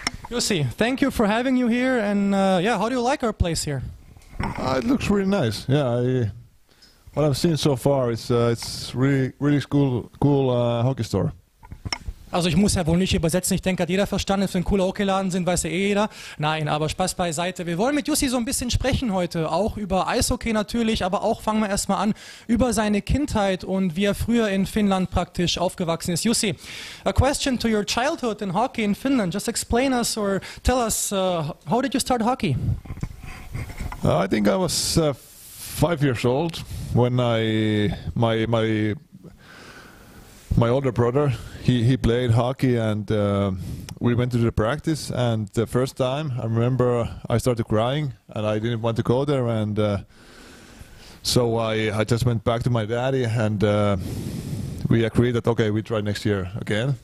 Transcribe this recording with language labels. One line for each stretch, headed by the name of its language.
English: Jussi, thank you for having you here, and how do you like our place here? It looks really nice. Yeah, what I've seen so far, it's really cool hockey store.
German: Also ich muss ja wohl nicht übersetzen, ich denke, hat jeder verstanden, dass wir ein cooler Hockeyladen sind, weiß ja eh jeder. Nein, aber Spaß beiseite. Wir wollen mit Jussi so ein bisschen sprechen heute, auch über Eishockey natürlich, aber auch fangen wir erstmal an über seine Kindheit und wie er früher in Finnland praktisch aufgewachsen ist.
English: Jussi, a question to your childhood in hockey in Finland. Just explain us or tell us, how did you start hockey? I think I was 5 years old when my older brother, he played hockey, and we went to the practice, and the first time I remember I started crying and I didn't want to go there, and so I just went back to my daddy, and we agreed that okay, we try next year again.